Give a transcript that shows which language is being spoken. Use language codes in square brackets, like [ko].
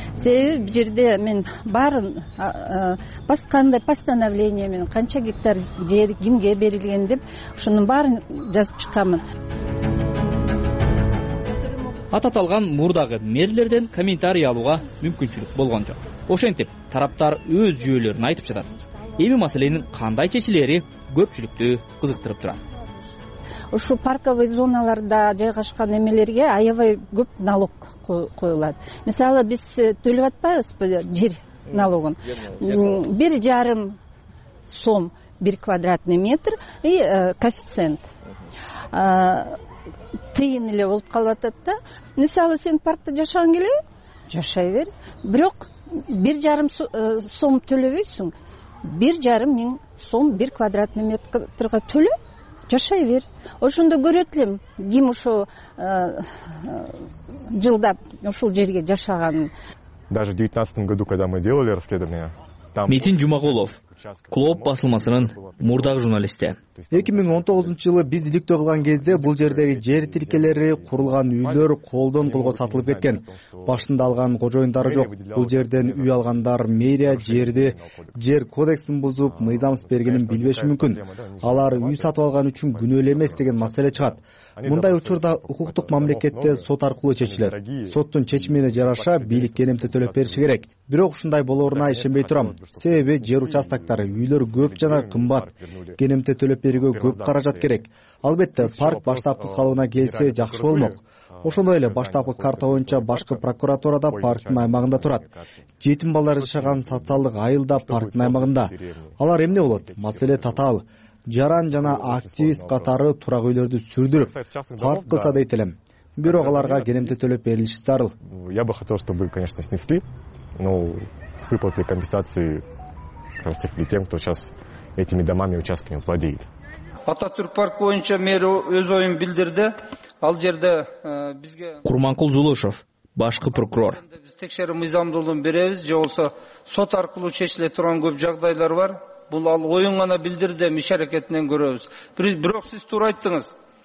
[ky] Себеби бул жерде мен баарын кандай постановление менен канча гектар жер кимге берилген деп ушунун баарын жазып чыкканмын. Аталган мурдагы мэрлерден комментарий алууга мүмкүнчүлүк болгон жок. Ошентип тараптар өз жүйөлөрүн айтып жатат. Эми маселенин кандай чечилери көпчүлүктү кызыктырып турат. Ушул парковый зоналарда жайгашкан эмелерге аябай көп налог коюлат. Мисалы биз төлөп атпайбызбы жер налогун? [ru] 1.5 сом бир квадратный метр и коэффициент. [ky] Тыйын эле болуп калып атат да. Мисалы сен паркта жашагың келеби? Жашай бер. Бирок 1.5 сом төлөбөйсүң. 1.5 сом бир квадратный метрга төлө, жашай бер. Ошондо көрөт элем ким ушу жылдап ушул жерге жашаганын. [ru] Даже в 2019 году, когда мы делали расследование, там [ky] Митин Жумагулов, Клооп басылмасынын мурдагы журналисти. 2019-жылы биз иликтөө кылган кезде бул жердеги жер тилкелери, курулган үйлөр колдон колго сатылып кеткен. Башында алган кожоюндары жок. Бул жерден үй алгандар мэрия жерди жер кодексин бузуп, мыйзамсыз бергенин билбеши мүмкүн. Алар үй сатып алган үчүн күнөөлүү эмес деген маселе чыгат. Мындай учурда укуктук мамлекетте сот аркылуу чечилет. Соттун чечимине жараша бийлик кенемти төлөп бериши керек. Бирок ушундай болоруна ишенбей турам. Себеби жер участоктору, үйлөр көп жана кымбат. Кенемти төлөп берүүгө көп каражат керек. Албетте, парк баштапкы калыбына келсе жакшы болмок. Ошондой эле баштапкы карта боюнча башкы прокуратурада парктын аймагында турат. Жетим балдар жашаган социалдык айыл да парктын аймагында. Алар эмне болот? Маселе татаал. Жаран жана активист катары турак үйлөрдү сүрдүрүп, парк кылса дейт элем. Бирок аларга кенемти төлөп берилиши зарыл. [ru] Я бы хотел, чтобы, конечно, снесли, но с выплатой компенсации как раз таки тем, кто сейчас этими домами, участками владеет. [ky] Ататүрк парк боюнча мэр өз оюн билдирди. Ал жерде бизге Курманкул Жолошов, башкы прокурор. Биз текшерүү мыйзамдуулугун беребиз, же болсо сот аркылуу чечиле турган көп жагдайлар бар. Бул ал оюн гана билдирди, иш аракетинен көрөбүз. Бирок сиз туура айттыңыз.